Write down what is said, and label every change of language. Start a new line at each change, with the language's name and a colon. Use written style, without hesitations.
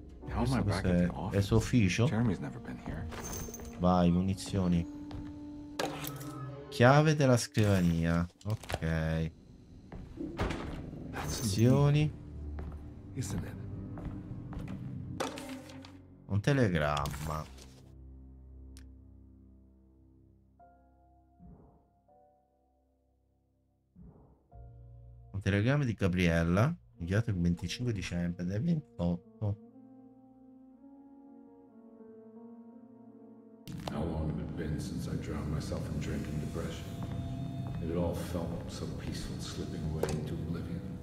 English: How am I back in the office? Jeremy's never been here.
Italian: Vai, munizioni. Chiave della scrivania. Ok. Munizioni. Un telegramma. Telegramma di Gabriella, inviato il 25 dicembre del 28.
English: How long had it been since I drowned myself in drinking depression? It had all felt so peaceful, slipping away into oblivion.